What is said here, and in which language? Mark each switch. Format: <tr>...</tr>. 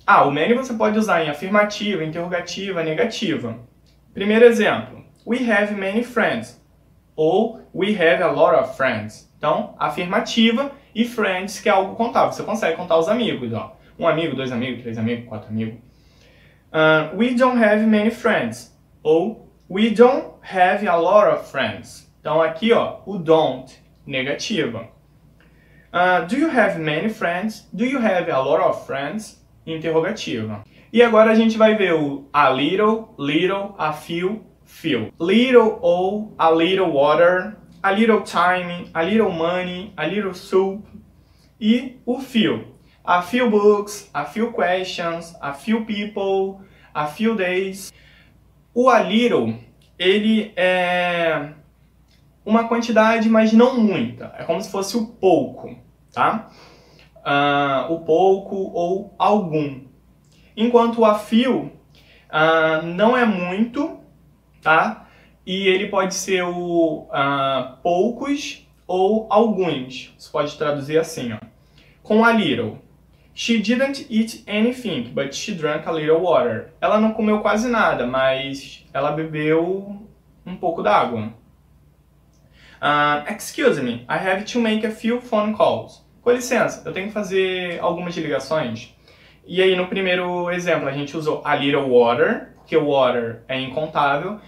<pt>Ah, o many você pode usar em afirmativa, interrogativa, negativa. Primeiro exemplo:</pt> <en>We have many friends.</en> <pt>Ou</pt> <en>We have a lot of friends.</en> <pt>Então, afirmativa e friends, que é algo contável. Você consegue contar os amigos, ó. Um amigo, dois amigos, três amigos, quatro amigos.</pt> <en>We don't have many friends.</en> <pt>Ou</pt> <en>We don't have a lot of friends.</en> <pt>Então, aqui, ó, o</pt> <en>don't,</en> <pt>negativa.</pt> <en>Do you have many friends? Do you have a lot of friends?</en> <pt>Interrogativa. E agora a gente vai ver o</pt> <en>a little, a few, few. Little</en> <pt>ou</pt> <en>a little water, a little time, a little money, a little soup.</en> <pt>E o</pt> <en>few. A few books, a few questions, a few people, a few days.</en> <pt>O a little, ele é uma quantidade, mas não muita. É como se fosse o pouco, tá? O pouco ou algum. Enquanto o a few não é muito, tá? E ele pode ser o poucos ou alguns. Você pode traduzir assim, ó. Com a little.</pt> <en>She didn't eat anything, but she drank a little water.</en> <pt>Ela não comeu quase nada, mas ela bebeu um pouco d'água.</pt> <en>Excuse me, I have to make a few phone calls.</en> <pt>Com licença, eu tenho que fazer algumas ligações. E aí, no primeiro exemplo, a gente usou a little water, porque water é incontável.</pt>